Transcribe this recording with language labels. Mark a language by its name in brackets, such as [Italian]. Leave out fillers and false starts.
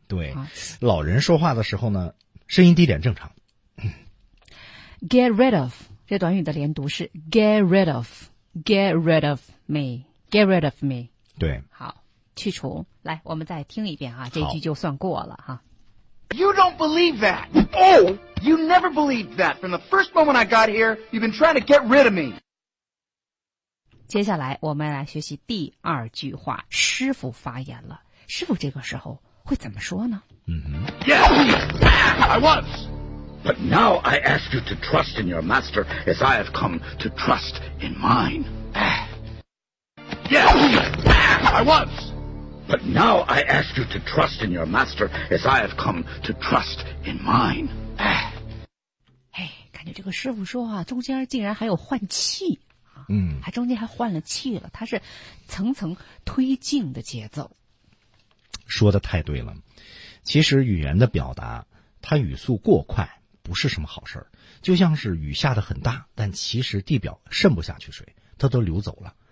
[Chinese] 对，老人说话的时候呢声音低点正常。 [English] Get rid of [Chinese] 这短语的连读是 [English] Get rid of， Get rid of me， Get rid of me， [Chinese] 对，好，去除。来，我们再听一遍啊，这句就算过了哈。 [English] You don't believe that. Oh, you never believed that. From the first moment I got here, you've been trying to get rid of me. [Chinese] 接下来我们来学习第二句话，师傅发言了。师傅这个时候会怎么说呢？嗯哼。 [English] Yes, I was. But now I ask you to trust in your master as I have come to trust in mine. Yes, I was. But now I ask you to trust in your master as I have come to trust in mine. [Chinese] 哎，感觉这个师傅说啊，中间竟然还有换气啊，还中间还换了气了，他是层层推进的节奏。说的太对了，其实语言的表达，它语速过快不是什么好事儿，就像是雨下得很大，但其实地表渗不下去水，它都流走了。